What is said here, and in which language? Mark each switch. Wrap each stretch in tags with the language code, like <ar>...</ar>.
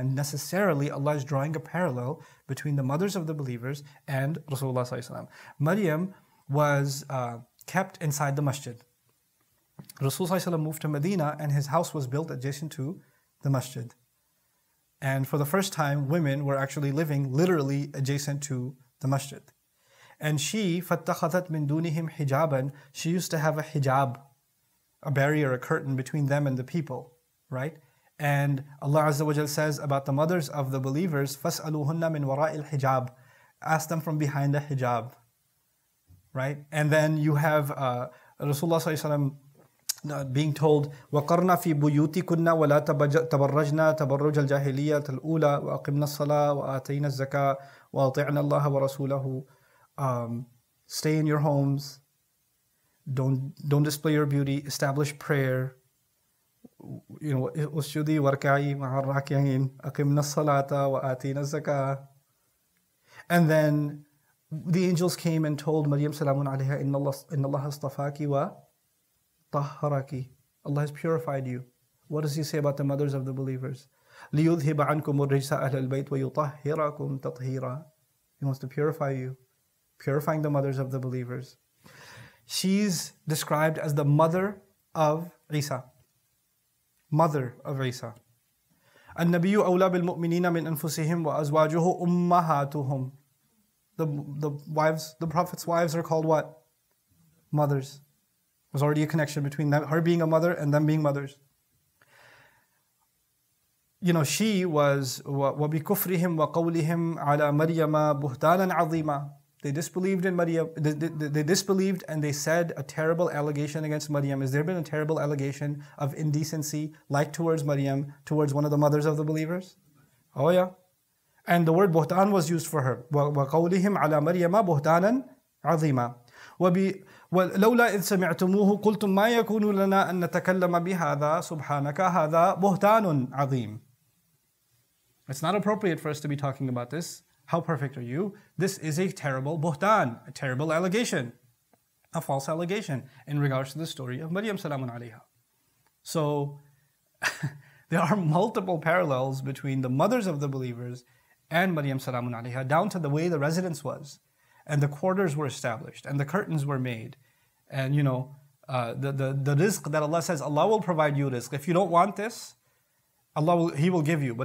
<en>And necessarily, Allah is drawing a parallel between the mothers of the believers and Rasulullah ﷺ. Maryam was kept inside the masjid. Rasulullah ﷺ moved to Medina, and his house was built adjacent to the masjid. And for the first time, women were actually living literally adjacent to the masjid. And she,</en> <ar>فَاتَّخَذَتْ مِن دُونِهِمْ حِجَابًا.</ar> <en>She used to have a hijab, a barrier, a curtain between them and the people, right? And Allah Azza wa Jal says about the mothers of the believers,</en> <ar>فَاسْأَلُوهُنَّ مِن وَرَاءِ الْحِجَابِ.</ar> <en>Ask them from behind the hijab, right? And then you have Rasulullah Sallallahu Alaihi Wasallam being told,</en> <ar>وَقَرْنَا فِي بُيُوتِكُنَّ وَلَا تَبَرَّجْنَا تَبَرُّجَ الْجَاهِلِيَّةَ الْأُولَى وَأَقِمْنَا الصَّلَاةَ وَآتَيْنَا الزَّكَاةَ وَأَطِعْنَا اللَّهَ وَرَسُولَهُ.</ar> <en>Stay in your homes. Don't display your beauty. Establish prayer. You know,</en> <ar>اُسْجُدِي وَرْكَعِي مَعَ الرَّاكِعِينَ أَقِمْنَا الصَّلَاةَ وَآتِيْنَا الزَّكَاةَ.</ar> <en>And then the angels came and told Maryam salamun alayha,</en> <ar>إِنَّ اللَّهَ اصْطَفَاكِ wa طَهَّرَكِ.</ar> <en>Allah has purified you. What does He say about the mothers of the believers?</en> <ar>لِيُذْهِبَ عَنْكُمُ الرِّجْسَ أَهْلَ الْبَيْتِ وَيُطَهِّرَكُمْ تَطْهِيرًا.</ar> <en>He wants to purify you. Purifying the mothers of the believers. She's described as the mother of Isa. Mother of Isa.</en> <ar>النَّبِيُّ أَوْلَى بِالْمُؤْمِنِينَ مِنْ أَنفُسِهِمْ وَأَزْوَاجُهُ أُمَّهَاتُهُمْ.</ar> <en>The wives, the Prophet's wives are called what? Mothers. There's already a connection between them, her being a mother and them being mothers. You know, she was</en> <ar>وَبِكُفْرِهِمْ وَقَوْلِهِمْ عَلَى مَرْيَمَ بُهْتَانًا عَظِيمًا.</ar> <en>They disbelieved in Maryam. They disbelieved and they said a terrible allegation against Maryam. Has there been a terrible allegation of indecency like towards Maryam, towards one of the mothers of the believers? Oh yeah. And the word buhtan was used for her.</en> <ar>وَقَوْلِهِمْ عَلَى مَرْيَمَ بُهْتَانًا عَظِيمًا. وَلَوْلَا إِذْ سَمِعْتُمُوهُ قُلْتُمْ مَا يَكُونُ لَنَا أَن نَتَكَلَّمَ بِهَذَا سُبْحَانَكَ هَذَا بُهْتَانٌ عَظِيمٌ.</ar> <en>It's not appropriate for us to be talking about this. How perfect are you? This is a terrible buhtan, a terrible allegation, a false allegation in regards to the story of Maryam salamun alayha. So, there are multiple parallels between the mothers of the believers and Maryam salamun alayha, down to the way the residence was, and the quarters were established, and the curtains were made, and you know, the rizq that Allah says, Allah will provide you rizq. If you don't want this, Allah will, He will give you.</en>